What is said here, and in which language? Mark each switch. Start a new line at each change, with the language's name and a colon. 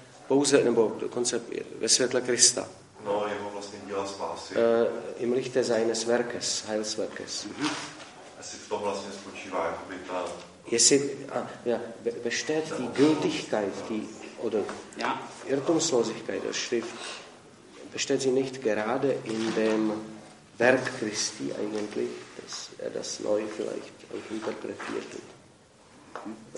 Czech: pouze, nebo dokonce ve světle Krista. No, jeho vlastně díla spásy.
German: Im lichte seines Werkes, Heils Werkes.
Czech: Asi v tom vlastně spočívá, jakoby ta... Jestli,
German: ja, besteht die Gültigkeit, die, oder ja. Irrtumslosigkeit der Schrift, besteht sie nicht gerade in dem Werk Christi eigentlich, dass er das neu vielleicht auch interpretiert und